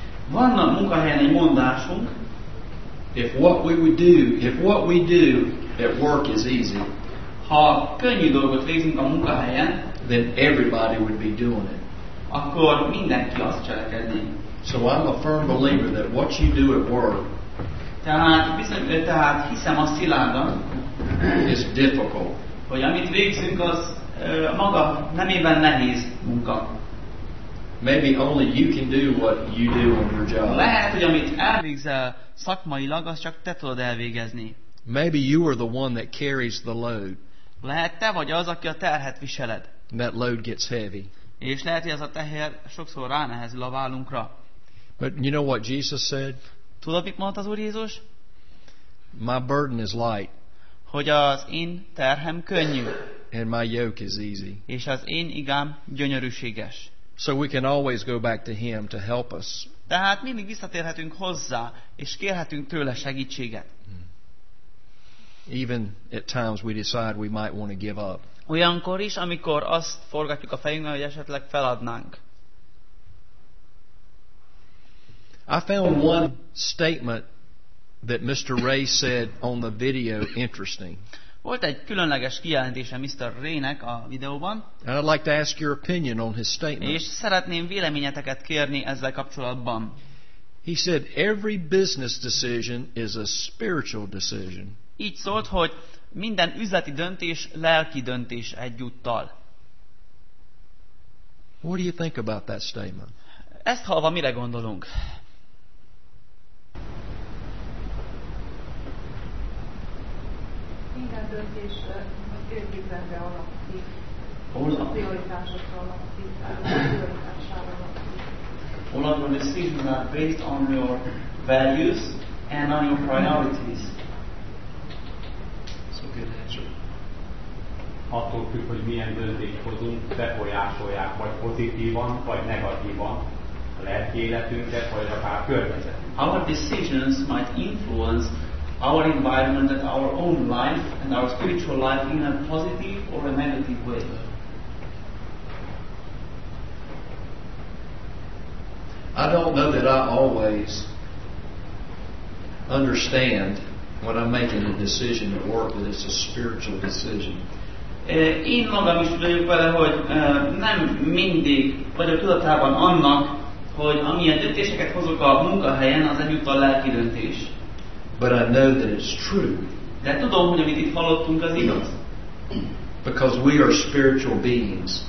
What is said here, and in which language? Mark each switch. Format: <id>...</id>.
<hu>Van a munkahelyen egy mondásunk.</hu> <en>If what we do at work is easy,</en> <hu>ha könnyű dolgot végzünk a munkahelyen,</hu> <en>then everybody would be doing it.</en> <hu>Akkor mindenki azt cselekedni.</hu> <en>So I'm a firm believer that what you do at work,</en> <hu>tehát hiszem azt szilárdan,</hu> <en>is difficult.</en> <hu>Hogy amit végzünk, az maga nemében nehéz munka.</hu> <en>Maybe only you can do what you do on your job.</en> <hu>Lehet, hogy amit elvégzel szakmailag, az csak te tudod elvégezni.</hu> <en>Maybe you are the one that carries the load.</en> <hu>Lehet, te vagy az, aki a terhet viseled.</hu> <en>That load gets heavy.</en> <hu>És lehet, hogy ez a teher sokszor ránehezül a vállunkra.</hu> <en>But you know what Jesus said?</en> <hu>Tudod, mit mondta az Úr Jézus?</hu> <en>My burden is light.</en> <hu>Hogy az én terhem könnyű.</hu> <en>And my yoke is easy.</en> <hu>És az én igám gyönyörűséges.</hu> <en>So we can always go back to Him to help us.</en> <hu>Tehát mindig visszatérhetünk hozzá, és kérhetünk tőle segítséget.</hu> <en>Even at times we decide we might want to give up.</en> <hu>Olyankor is, amikor azt forgatjuk a fejünkben, hogy esetleg feladnánk.</hu> <en>I found one statement that Mr. Ray said on the video interesting.</en> <hu>Volt egy különleges kijelentése Mr. Ray-nek a videóban.</hu> <en>And I'd like to ask your opinion on his statement.</en> <hu>És szeretném véleményeteket kérni ezzel kapcsolatban.</hu> <en>He said every business decision is a spiritual decision.</en> <hu>Így szólt, hogy minden üzleti döntés lelki döntés egyúttal.</hu> <en>What do you think about that statement?</en> <hu>Ezt hallva mire gondolunk? Minden döntés érdekünkre alapul. A prioritásokra alapul. A prioritásra alapul.</hu> <en>All of the decisions are based on your values and on your priorities. So good answer.</en> <hu>Attól függ, hogy milyen döntést hozunk, befolyásolják, vagy pozitívan, vagy negatívan a lelki életünket, vagy akár környezetünket.</hu> <en>Our decisions might influence our environment and our own life and our spiritual life in a positive or a negative way. I don't know that I always understand when I'm making a decision at work that it's a spiritual decision.</en> <hu>Én magam is tudom vele, hogy nem mindig vagyok tudatában annak, hogy amilyen döntéseket hozok a munkahelyen, az egyúttal lelki döntés.</hu> <en>But I know that it's true.</en> <hu>De tudom, hogy amit itt hallottunk, az igaz.</hu> <en>Because we are spiritual beings.</en>